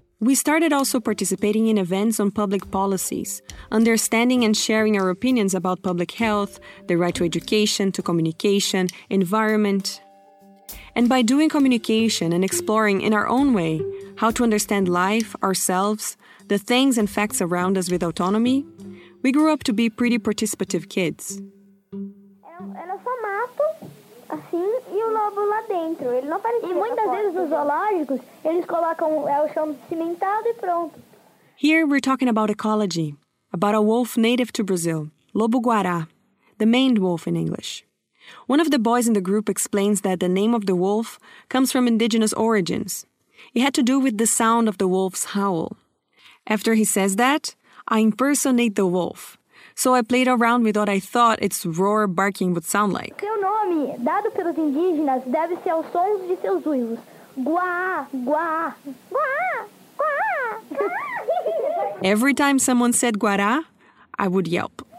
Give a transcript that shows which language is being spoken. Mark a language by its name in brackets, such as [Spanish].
[English] We started also participating in events on public policies, understanding and sharing our opinions about public health, the right to education, to communication, environment. And by doing communication and exploring in our own way how to understand life, ourselves, the things and facts around us with autonomy, we grew up to be pretty participative kids. [Portuguese] Era só mato, assim, e o lobo lá dentro. Ele não aparecia. E muitas vezes nos zoológicos, eles colocam o chão cimentado e pronto. [English] Here we're talking about ecology, about a wolf native to Brazil, lobo-guará, the maned wolf in English. One of the boys in the group explains that the name of the wolf comes from indigenous origins. It had to do with the sound of the wolf's howl. After he says that, I impersonate the wolf. So I played around with what I thought its roar barking would sound like. [Portuguese] Seu nome, dado pelos indígenas, deve ser os sons de seus uivos. Guá, guá, guá, guá, guá. [English] Every time someone said guará, I would yelp.